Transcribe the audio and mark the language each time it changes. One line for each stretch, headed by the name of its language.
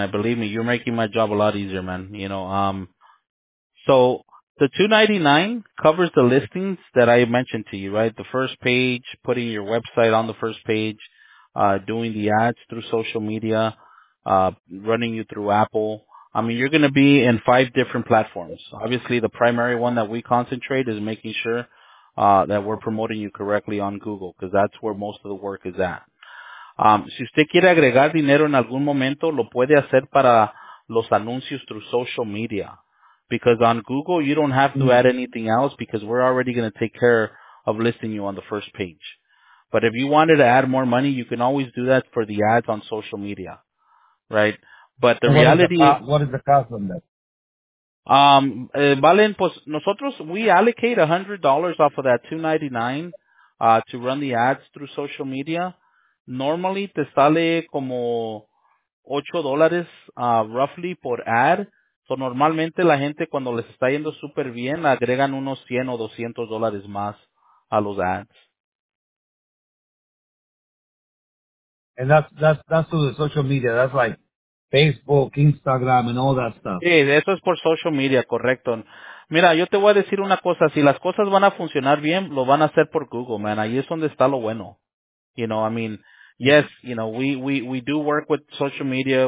English: I believe me, you're making my job a lot easier, man. You know, so the $299 covers the listings that I mentioned to you, right? The first page, putting your website on the first page, doing the ads through social media, running you through Apple. I mean, you're going to be in 5 different platforms. Obviously, the primary one that we concentrate is making sure that we're promoting you correctly on Google, because that's where most of the work is at.
Spanish: Si usted quiere agregar dinero en algún momento, lo puede hacer para los anuncios through social media.
English: Because on Google, you don't have to add anything else, because we're already going to take care of listing you on the first page. But if you wanted to add more money, you can always do that for the ads on social media, right? But the reality is... What is the cost on that? Valen, pues nosotros, we allocate $100 off of that $299 to run the ads through social media.
Spanish: Normally, te sale como $8 roughly por ad. So normalmente la gente cuando les está yendo súper bien, agregan unos $100 o $200 más a los ads.
English: And that's through the social media. That's like Facebook, Instagram, and all that stuff.
Spanish: Sí, eso es por social media, correcto. Mira, yo te voy a decir una cosa. Si las cosas van a funcionar bien, lo van a hacer por Google, man. Ahí es donde está lo bueno.
English: You know, I mean, yes, you know, we do work with social media.